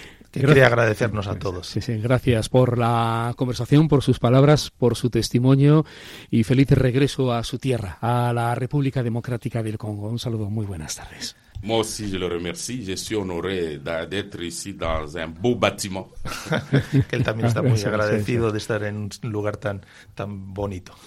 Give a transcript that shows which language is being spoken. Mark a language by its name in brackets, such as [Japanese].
[Spanish] Quería agradecernos a todos. Sí, sí, gracias por la conversación, por sus palabras, por su testimonio y feliz regreso a su tierra, a la República Democrática del Congo. Un saludo, muy buenas tardes. [French] Moi aussi je le remercie, je suis honoré d'être ici dans un beau bâtiment. [Spanish] Que él también está muy agradecido de estar en un lugar tan bonito.